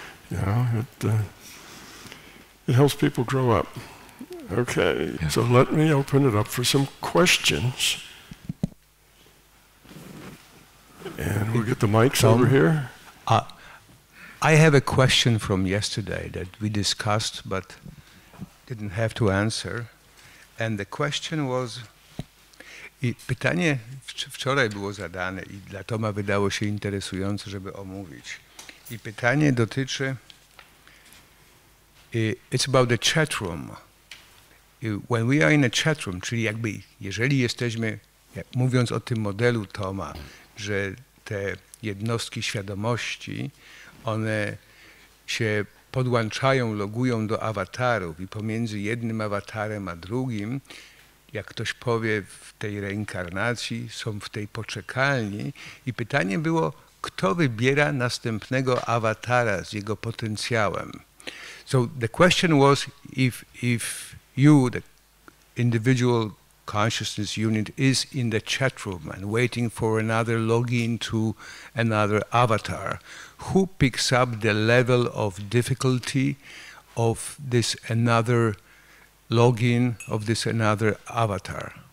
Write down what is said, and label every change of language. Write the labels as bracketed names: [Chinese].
[English] You know, it helps people grow up. Okay, yeah. So let me open it up for some questions. And we'll get the mics over here. I have a question from yesterday that we discussed but didn't have to answer. And the question was, [Polish] pytanie wczoraj było zadane i dla Toma wydało się interesujące, żeby omówić. I pytanie dotyczy, [English] it's about the chat room. When we are in a chat room, [Polish] czyli jakby jeżeli jesteśmy, mówiąc o tym modelu Toma, że te jednostki świadomości, one się podłączają, logują do awatarów i pomiędzy jednym awatarem a drugim, jak ktoś powie w tej reinkarnacji, są w tej poczekalni. I pytanie było, kto wybiera następnego awatara z jego potencjałem? [English] So the question was, if you, the individual consciousness unit, is in the chat room and waiting for another login to another avatar, who picks up the level of difficulty of this another login of this another avatar?